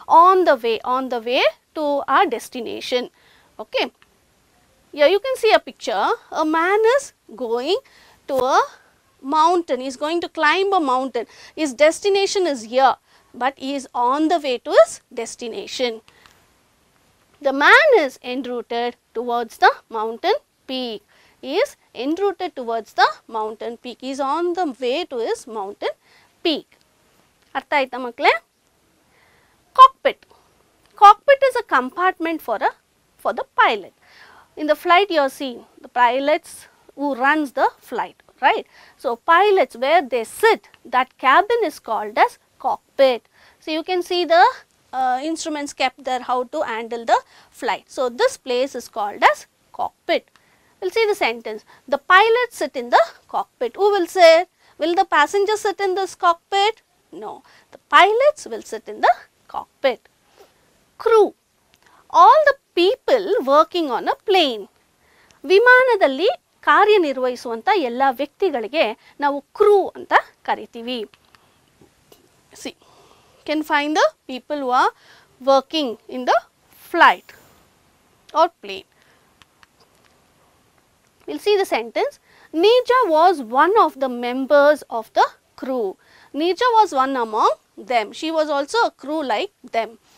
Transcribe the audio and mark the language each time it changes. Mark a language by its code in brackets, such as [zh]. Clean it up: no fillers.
[en] On the way, on the way to our destination. Okay, you can see a picture. A man is going to a mountain, is going to climb a mountain. His destination is here, but is on the way to his destination. The man is enrouted towards the mountain peak. He is enrouted towards the mountain peak. He is on the way to his mountain peak. [kn] Artha aita makle. [en] Cockpit. Cockpit is a compartment for the pilot. In the flight you are seeing the pilots who runs the flight, right? So pilots where they sit, that cabin is called as cockpit. So you can see the instruments kept there, how to handle the flight. So this place is called as cockpit. We'll see the sentence. The pilot sit in the cockpit. Who will sit? Will the passenger sit in this cockpit? No, the pilots will sit in the cockpit. Crew, all the people working on a plane. [kn] ವಿಮಾನದಲ್ಲಿ ಕಾರ್ಯನಿರ್ವಹಿಸುವಂತ ಎಲ್ಲ ವ್ಯಕ್ತಿಗಳಿಗೆ ನಾವು ಕ್ರೂ ಅಂತ ಕರಿತೀವಿ. [en] Can find the people who are working in the flight or plane. We'll see the sentence. Nija was one of the members of the crew. Neeja was one among them. She was also a crew like them.